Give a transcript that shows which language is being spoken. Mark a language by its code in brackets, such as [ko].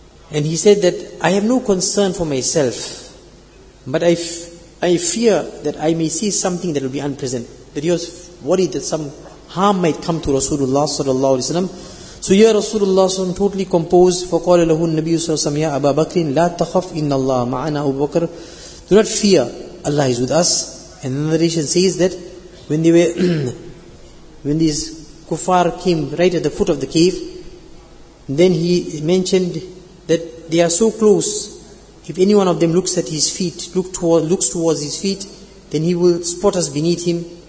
[en] And he said that I have no concern for myself, but I fear that I may see something that will be unpleasant. That he was worried that some harm might come to Rasulullah صَلَّى اللَّهُ عَلَيْهِ وَسَلَّمَ. So here Rasulullah صَلَّى اللَّهُ عَلَيْهِ وَسَلَّمَ totally composed. [ar] فَقَالَ لَهُ النَّبِيُّ صَلَّى اللَّهُ عَلَيْهِ وَسَلَّمَ يَا أَبَا بَكْرٍ لَا تَخَفْ إِنَّ اللَّهَ مَعَنَا أَبُو بَكْرٍ. [en] Do not fear, Allah is with us. And the narration says that when these kuffar came right at the foot of the cave, then he mentioned that they are so close. If any one of them looks at his feet, looks towards his feet, then he will spot us beneath him.